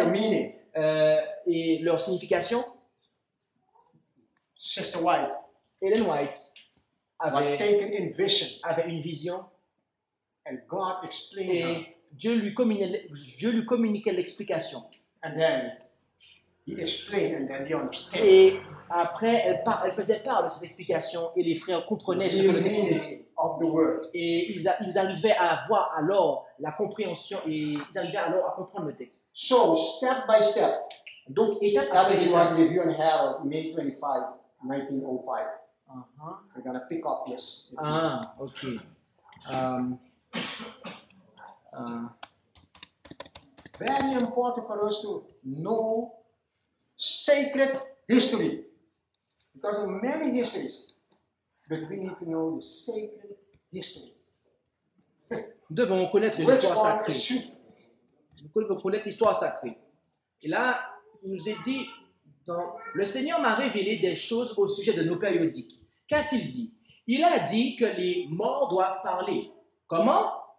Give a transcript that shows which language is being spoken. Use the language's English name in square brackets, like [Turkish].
[English] and the meaning, [French] et leur signification, [English] Sister White, Ellen White was taken in vision, [French] avait une vision [English] and God explained [French] et Dieu lui communiquait l'explication. [English] And then he explained and then he understood. [French] Et après, elle faisait part de cette explication et les frères comprenaient ce que le texte dit. Et ils arrivaient à voir alors la compréhension et ils arrivaient alors à comprendre le texte. [English] So, step by step. [French] Donc, étape par étape. [English] Now that you want to review on hell, May 25, 1905. Uh-huh. I'm going to pick up this. Ah, ok. Very important for us to know sacred history. Because of many histories, but we need to know the sacred history. [French] Nous devons connaître l'histoire sacrée. Nous devons connaître l'histoire sacrée. Et là, il nous est dit, le Seigneur m'a révélé des choses au sujet de nos périodiques. Qu'a-t-il dit? Il a dit que les morts doivent parler. Comment?